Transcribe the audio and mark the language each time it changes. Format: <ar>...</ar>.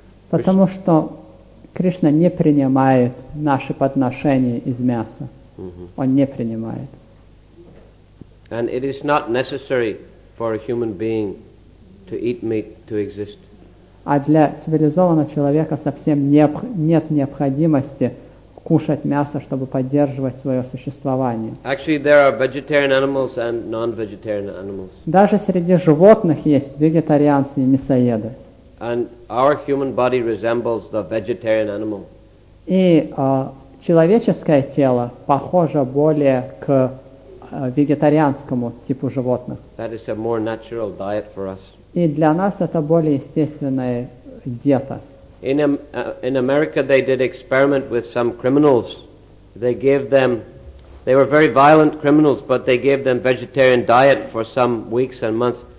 <ru>Потому что Кришна не принимает наши подношения из мяса. Mm-hmm. Он не принимает.</ru> <en>And it is not necessary for a human being to eat meat to exist.</en> <ru>А для цивилизованного человека совсем нет необходимости кушать мясо, чтобы поддерживать свое существование.</ru> <en>Actually, there are vegetarian animals and non-vegetarian animals.</en> <ru>Даже среди животных есть вегетарианцы и мясоеды.</ru> <en>And our human body resembles the vegetarian animal.</en> <ru>И человеческое тело похоже более к вегетарианскому типу животных.</ru> <en>That is a more natural diet for us.</en> <ru>И для нас это более естественная диета.</ru> <en>In America, they did experiment with some criminals. They gave them, they were very violent criminals, but they gave them vegetarian diet for some weeks and months.</en>